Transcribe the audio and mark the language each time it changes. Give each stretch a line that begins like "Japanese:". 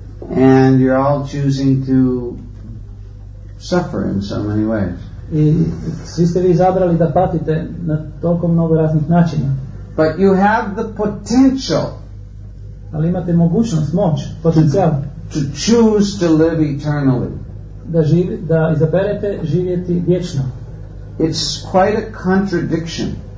English: And you're all choosing to suffer in so many ways.
Croatian: I svi ste vi izabrali da patite na toliko mnogo raznih načina.
English: But you have the potential.
Croatian: Ali imate mogućnost, moć, potencijal.
English: To choose to live eternally.
Croatian: Da živi, da izaberete živjeti vječno.
English: It's quite a contradiction.